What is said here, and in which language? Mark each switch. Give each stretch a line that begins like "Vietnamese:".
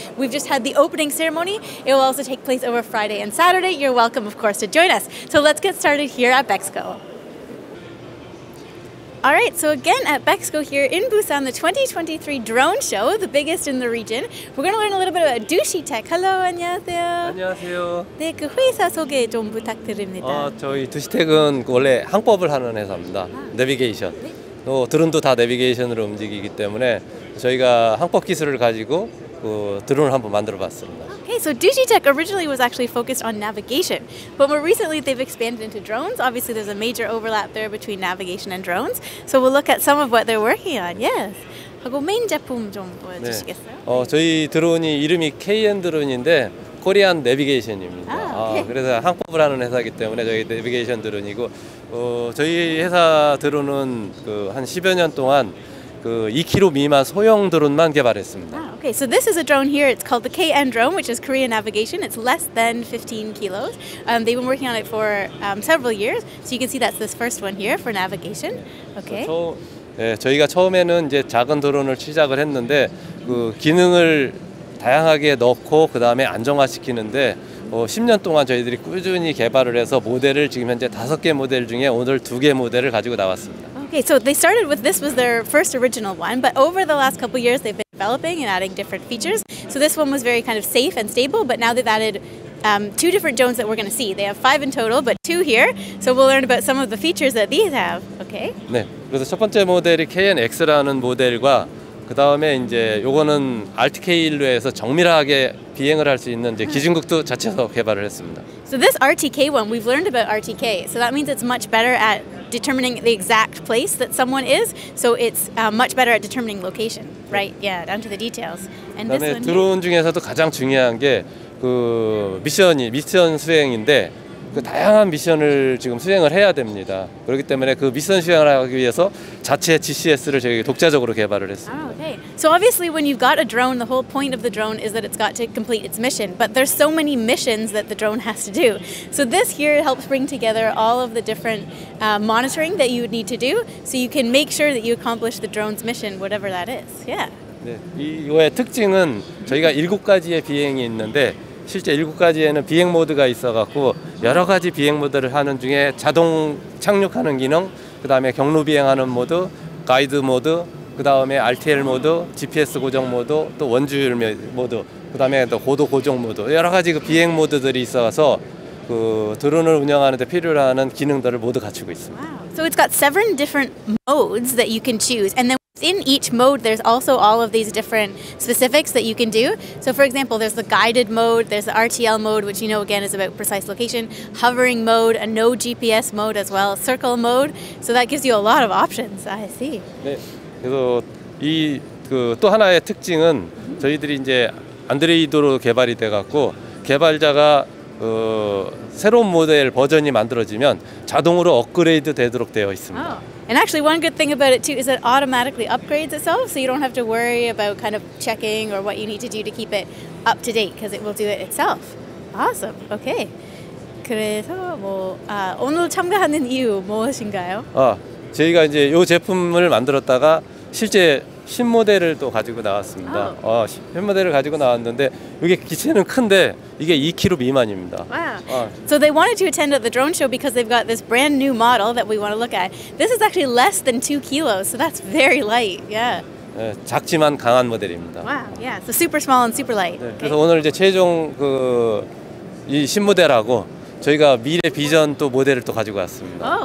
English: We've just had the opening ceremony. It will also take place over Friday and Saturday. You're welcome, of course, to join us. So let's get started here at Bexco. All right, so again at Bexco here in Busan, the 2023 drone show, the biggest in the region. We're going to learn a little bit about Duschitech.
Korean: Hello, 안녕하세요. 안녕하세요. 네, 그 회사 소개 좀 부탁드립니다. 저희 두시텍은 원래 항법을 하는 회사입니다. 내비게이션. 네? 드론도 다 내비게이션으로 움직이기 때문에 저희가 항법 기술을 가지고 드론을 한번 만들어봤습니다.
English: Okay, so Duschitech originally was actually focused on navigation, but more recently they've expanded into drones. Obviously, there's a major overlap there between navigation and drones. So we'll look at some of what they're working on. Yes.
Korean: 하고 메인 제품 좀 보여주시겠어요? 네. 저희 드론이 이름이 KnDrone인데 코리안 내비게이션입니다. 그래서 항법을 하는 회사이기 때문에 저희 내비게이션 드론이고, 저희 회사 드론은 한 10여 년 동안 2km 미만 소형 드론만 개발했습니다.
English: Okay, so this is a drone here. It's called the KnDrone, which is Korean navigation. It's less than 15 kilos. They've been working on it for several years. So you can see that's this first one here for navigation. Okay.
Korean: 저희가 처음에는 이제 작은 드론을 시작을 했는데 기능을 다양하게 넣고 그다음에 안정화시키는데 10년 동안 저희들이 꾸준히 개발을 해서 모델을 지금 현재 5개 모델 중에 오늘 2개 모델을 가지고 나왔습니다.
English: Okay, so they started with this was their first original one, but over the last couple years they've been developing and adding different features. So this one was very kind of safe and stable, but now they've added two different drones that we're going to see. They have 5 in total, but 2 here. So we'll learn about some of the features that these have. Okay.
Korean: 네, 그래서 첫 번째 모델이 KnX라는 모델과 그 다음에 이제 요거는 RTK1로 해서 정밀하게 비행을 할 수 있는 이제 기증극도 자체에서 개발을 했습니다.
English: So this RTK one, we've learned about RTK. So that means it's much better at determining the exact place that someone is. So it's much better at determining location, right? Yeah, down to the details. And this one.
Korean: 드론 중에서도 가장 중요한 게 그 미션 수행인데 그 다양한 미션을 지금 수행을 해야 됩니다. 그렇기 때문에 그 미션 수행을 하기 위해서 자체 GCS를 저희 독자적으로 개발을 했습니다.
English: Okay. So obviously when you've got a drone, the whole point of the drone is that it's got to complete its mission. But there's so many missions that the drone has to do. So this here helps bring together all of the different monitoring that you would need to do so you can make sure that you accomplish the drone's mission, whatever that is. Yeah.
Korean: 네. 이거의 특징은 저희가 7가지의 비행이 있는데 실제 7가지에는 비행 모드가 있어갖고 여러 가지 비행 모드를 하는 중에 자동 착륙하는 기능, 그 다음에 경로 비행하는 모드, 가이드 모드, 그 다음에 RTL 모드, GPS 고정 모드, 또 원주율 모드, 그 다음에 또 고도 고정 모드, 여러 가지 그 비행 모드들이 있어서 그 드론을 운영하는 데 필요한 기능들을 모두 갖추고 있습니다.
English: Wow. So it's got seven different modes that you can choose. And then in each mode, there's also all of these different specifics that you can do. So for example, there's the guided mode, there's the RTL mode, which you know again is about precise location, hovering mode, a no GPS mode as well, circle mode. So that gives you a lot of options, I see.
Korean: 네, 그래서 이 그 또 하나의 특징은 저희들이 이제 안드로이드로 개발이 돼갖고 개발자가 새로운 모델 버전이 만들어지면 자동으로 업그레이드 되도록 되어 있습니다.
English: Oh. And actually one good thing about it too is it automatically upgrades itself so you don't have to worry about kind of checking or what you need to do to keep it up to date because it will do it itself. Awesome. Okay.
Korean: 그래서 오늘 참가하는 이유 무엇인가요? 저희가 이제 요 제품을 만들었다가 실제 신 모델을 또 가지고 나왔습니다.
English: Oh.
Korean: 신 모델을 가지고 나왔는데 이게 기체는 큰데 이게 2kg 미만입니다.
English: Wow. So they wanted to attend at the drone show because they've got this brand new model that we want to look at. This is actually less than 2 kilos, so that's very light. Yeah.
Korean: 네, 작지만 강한 모델입니다.
English: Wow. Yeah. So super small and super light.
Korean: 네, 그래서 okay. 오늘 이제 최종 그 이 신 모델하고 저희가 미래 비전 또 모델을 또 가지고 왔습니다.